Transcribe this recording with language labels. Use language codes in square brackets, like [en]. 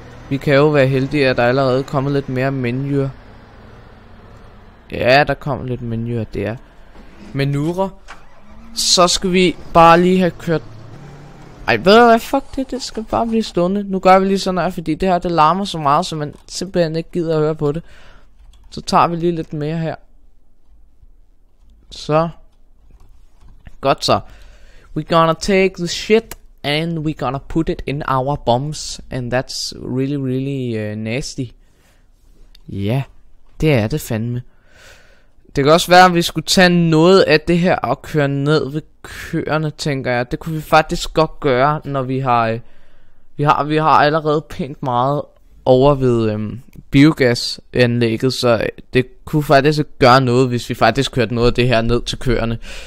[da] Vi kan jo være heldige, at der er allerede kommet lidt mere menuer. Ja, der kommer lidt menuer der. Menurer. Så skal vi bare lige have kørt. Ej, ved du hvad, fuck det, det skal bare blive stående. Nu gør vi lige sådan her, fordi det her, det larmer så meget, så man simpelthen ikke gider at høre på det. Så tager vi lige lidt mere her. Så. Godt så. [en] We gonna take the shit, and we gonna put it in our bombs, and that's really, really nasty. [da] Ja, det er det fandme. Det kan også være, at vi skulle tage noget af det her og køre ned ved køerne, tænker jeg. Det kunne vi faktisk godt gøre, når vi har vi har allerede pænt meget over ved biogasanlægget, så det kunne faktisk gøre noget, hvis vi faktisk kørte noget af det her ned til køerne.